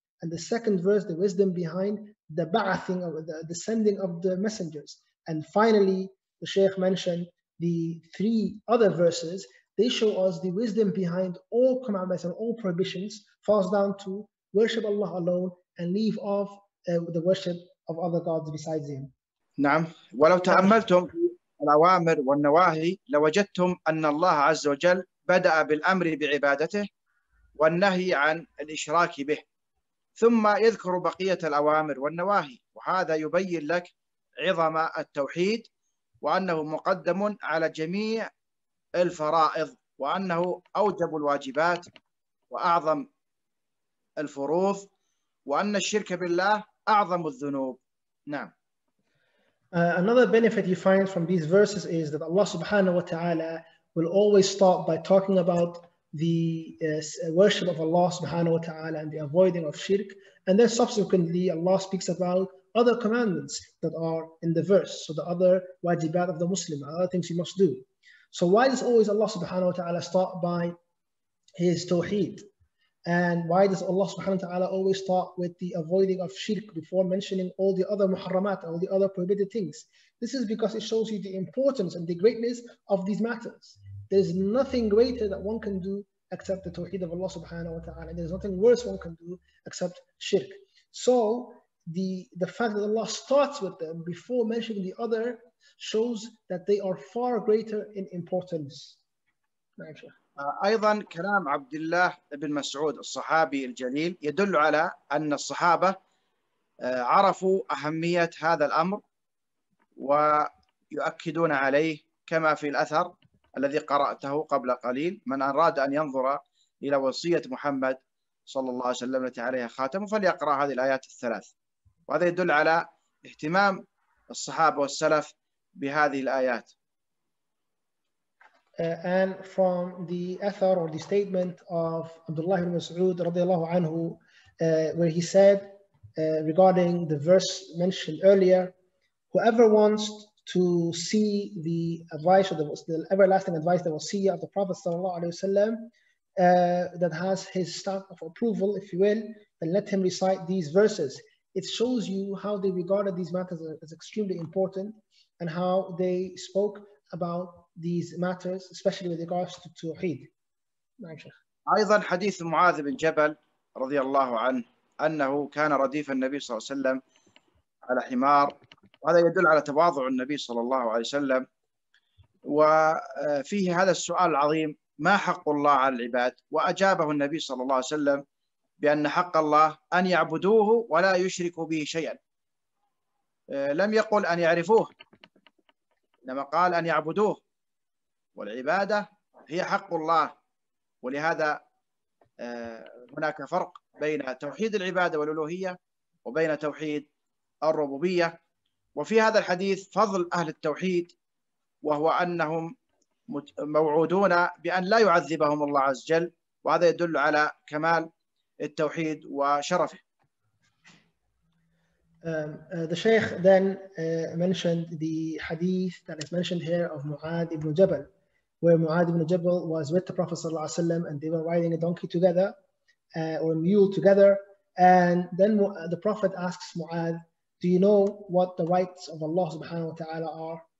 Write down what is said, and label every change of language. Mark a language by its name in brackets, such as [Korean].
[English] And the second verse, the wisdom behind the ba'athing, or the descending of the messengers. And finally, the Shaykh mentioned the three other verses. They show us the wisdom behind all commandments and all prohibitions falls down to worship Allah alone and leave off the worship of other gods besides him. [Arabic] نعم. ولو تأملتم الأوامر والنواهي لوجدتم أن الله عز وجل بدأ بالأمر بعبادته والنهي عن الإشراك به، ثم يذكر بقية الأوامر والنواهي، وهذا يبين لك عظم التوحيد وأنه مقدم على جميع الفرائض، وأنه أوجب الواجبات وأعظم الفروض، وأن الشرك بالله أعظم الذنوب. نعم. [English] Another benefit you find from these verses is that Allah subhanahu wa ta'ala will always start by talking about the worship of Allah subhanahu wa ta'ala and the avoiding of shirk. And then subsequently, Allah speaks about other commandments that are in the verse. So the other wajibat of the Muslim, other things you must do. So why does always Allah subhanahu wa ta'ala start by his tawheed? And why does Allah subhanahu wa ta'ala always start with the avoiding of shirk before mentioning all the other muharramat, all the other prohibited things? This is because it shows you the importance and the greatness of these matters. There's nothing greater that one can do except the tawheed of Allah subhanahu wa ta'ala. There's nothing worse one can do except shirk. So the fact that Allah starts with them before mentioning the other shows that they are far greater in importance. [Arabic] أيضا كلام عبد الله بن مسعود الصحابي الجليل يدل على أن الصحابة عرفوا أهمية هذا الأمر ويؤكدون عليه، كما في الأثر الذي قرأته قبل قليل: من أراد أن ينظر إلى وصية محمد صلى الله عليه وسلم التي عليها خاتمه فليقرأ هذه الآيات الثلاث. وهذا يدل على اهتمام الصحابة والسلف بهذه الآيات. And from the athar or the statement of Abdullah ibn Mas'ud radiallahu anhu, where he said regarding the verse mentioned earlier, whoever wants to see the advice or the everlasting advice, the wasiyya of the Prophet sallallahu alayhi wasallam, that has his stamp of approval, if you will, then let him recite these verses. It shows you how they regarded these matters as extremely important and how they spoke about these matters, especially with regards to Tawheed. أيضا حديث معاذ بن جبل رضي الله عنه أنه كان رديف النبي صلى الله عليه وسلم على حمار، وهذا يدل على تواضع النبي صلى الله عليه وسلم. وفيه هذا السؤال العظيم: ما حق الله على العباد؟ وأجابه النبي صلى الله عليه وسلم بأن حق الله أن يعبدوه ولا يشركوا به شيئا، لم يقل أن يعرفوه، إنما قال أن يعبدوه، والعبادة هي حق الله. ولهذا هناك فرق بين توحيد العبادة والألوهية وبين توحيد الربوبية. وفي هذا الحديث فضل أهل التوحيد، وهو أنهم موعودون بأن لا يعذبهم الله عز وجل، وهذا يدل على كمال التوحيد وشرفه. [English] The Shaykh then mentioned the hadith that is mentioned here of Mu'ad ibn Jabal, where Mu'ad ibn Jabal was with the Prophet sallallahu alaihi wasallam, and they were riding a donkey together, or a mule together. And then the Prophet asks Mu'ad, do you know what the rights of Allah subhanahu wa ta'ala are?